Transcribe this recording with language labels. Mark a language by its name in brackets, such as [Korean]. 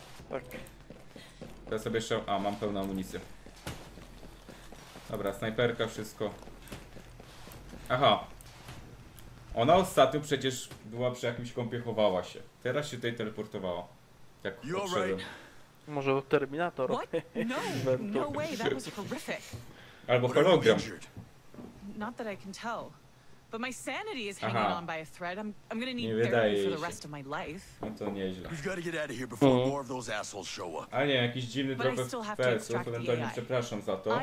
[Polish] Tak. Ja sobie jeszcze... A, mam pełną amunicję. Dobra, snajperka, wszystko. Aha. Ona ostatnio przecież była przy jakimś kąpie, chowała się. Teraz się tutaj teleportowała. Jak odszedłem. Może Terminator? [English] No, no way, that was horrific. [Polish] Albo hologram. [English] Not that I can tell. But my sanity is hanging on by a thread. I'm gonna need therapy for the rest of my life. [Polish] No to nieźle. [English] We've gotta get out of here before more of those assholes show up. [Polish] A nie, jakiś dziwny trochę FPS-ów, ewentualnie przepraszam za to.